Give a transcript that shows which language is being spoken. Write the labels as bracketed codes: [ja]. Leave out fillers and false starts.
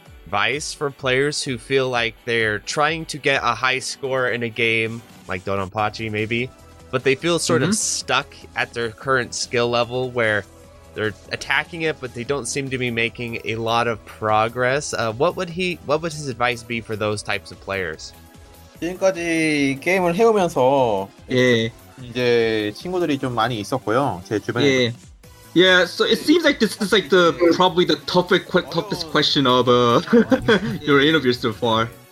[en] Advice for players who feel like they're trying to get a high score in a game like Dodonpachi maybe, but they feel sort of stuck at their current skill level where they're attacking it but they don't seem to be making a lot of progress, what would his advice be for those types of players? [ko] 지금까지 게임을 해오면서 예 이제 친구들이 좀 많이 있었고요 제 주변에. [en] Yeah, so it seems like this is like the probably the toughest question of your interview so far.